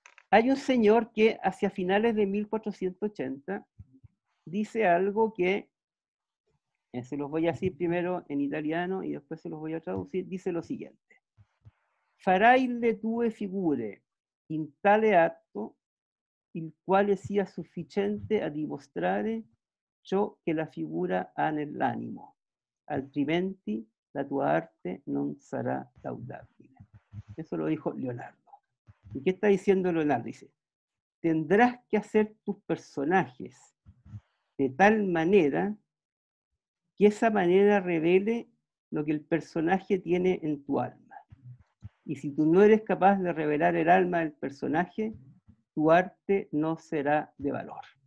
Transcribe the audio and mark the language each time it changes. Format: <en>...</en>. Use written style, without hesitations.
<es>Hay un señor que hacia finales de 1480 dice algo que, se los voy a decir primero en italiano y después se los voy a traducir, dice lo siguiente.</es> <it>Farai le tue figure in tale atto il quale sia sufficiente a dimostrare ciò che la figura ha nell'animo, altrimenti la tua arte non sarà laudabile.</it> <es>Eso lo dijo Leonardo. ¿Y qué está diciendo Leonardo? Dice, tendrás que hacer tus personajes de tal manera que esa manera revele lo que el personaje tiene en tu alma. Y si tú no eres capaz de revelar el alma del personaje, tu arte no será de valor.</es>